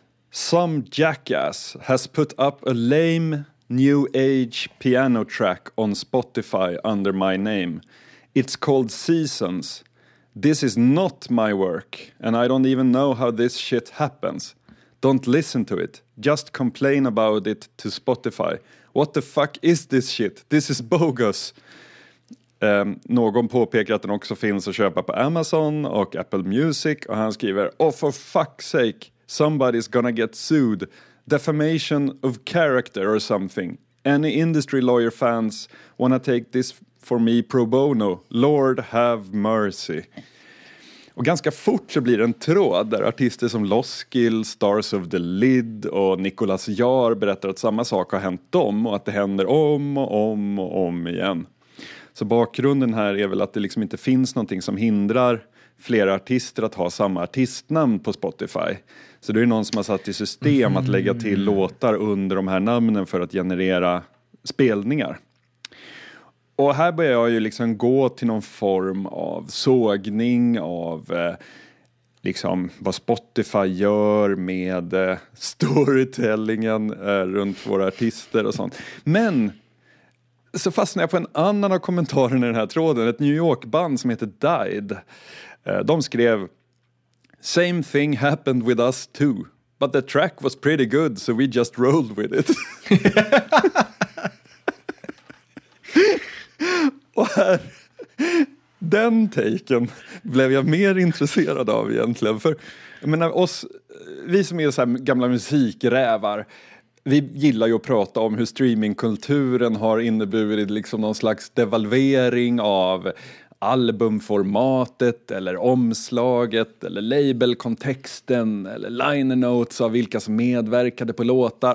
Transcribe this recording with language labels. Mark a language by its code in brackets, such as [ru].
[en] Some jackass has put up a lame New Age piano track on Spotify under my name. It's called Seasons. This is not my work, and I don't even know how this shit happens. Don't listen to it. Just complain about it to Spotify. What the fuck is this shit? This is bogus. [sv] Någon påpekar att den också finns att köpa på Amazon och Apple Music, och han skriver, [en] oh for fuck's sake, somebody's gonna get sued. Defamation of character or something. Any industry lawyer fans wanna take this for me pro bono. Lord have mercy. [sv] Och ganska fort så blir det en tråd där artister som Loskill, Stars of the Lid och Nicolas Jaar berättar att samma sak har hänt dem och att det händer om och om och om igen. Så bakgrunden här är väl att det liksom inte finns någonting som hindrar flera artister att ha samma artistnamn på Spotify. Så det är någon som har satt i system att lägga till låtar under de här namnen för att generera spelningar. Och här börjar jag ju liksom gå till någon form av sågning av liksom vad Spotify gör med storytellingen runt våra artister och sånt. Men så fastnade jag på en annan av kommentarerna i den här tråden. Ett New York-band som heter Died. De skrev: [en] "Same thing happened with us too, but the track was pretty good, so we just rolled with it." [sv] Och här, den taken blev jag mer intresserad av egentligen. För jag menar, oss, vi som är så här gamla musikrävar, vi gillar ju att prata om hur streamingkulturen har inneburit liksom någon slags devalvering av albumformatet eller omslaget eller labelkontexten eller liner notes av vilka som medverkade på låtar.